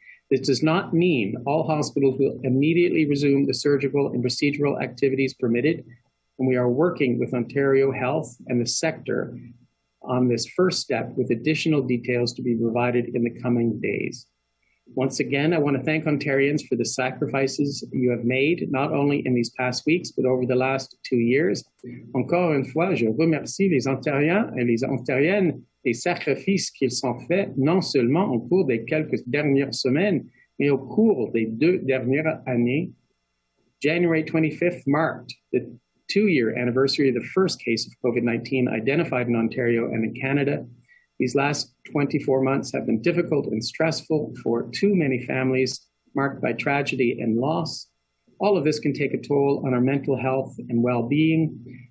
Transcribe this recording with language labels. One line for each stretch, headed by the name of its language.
English: This does not mean all hospitals will immediately resume the surgical and procedural activities permitted, and we are working with Ontario Health and the sector on this first step with additional details to be provided in the coming days. Once again, I want to thank Ontarians for the sacrifices you have made, not only in these past weeks, but over the last 2 years.
French: Encore une fois, je remercie les Ontariens et les Ontariennes des sacrifices qu'ils ont faits, non seulement au cours des quelques dernières semaines, mais au cours des deux dernières années.
English: January 25th marked the 2-year anniversary of the first case of COVID-19 identified in Ontario and in Canada. These last 24 months have been difficult and stressful for too many families, marked by tragedy and loss. All of this can take a toll on our mental health and well-being.